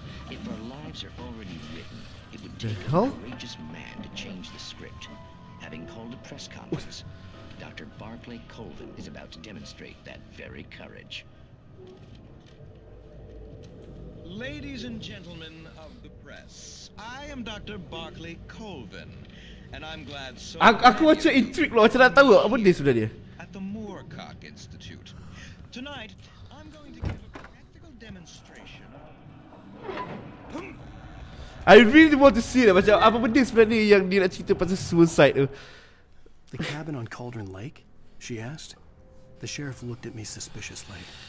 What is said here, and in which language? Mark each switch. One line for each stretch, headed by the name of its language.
English: If our lives are already written, it would take a courageous man to change the script. Having called a press conference, Dr. Barclay Colvin is about to demonstrate that very courage. Ladies and gentlemen of the press, I am Dr. Barclay Colvin, and I'm glad so.
Malay: Aku macam intrigued loh, macam nak tahu apa dia sebenarnya.
English: At the Moorcock Institute. Tonight, I'm going to give a practical demonstration. I really want to see that.
Malay: Macam apa benda sebenarnya yang dia nak cerita pasal suicide tu.
English: The cabin on Cauldron Lake? She asked. The sheriff looked at me suspiciously.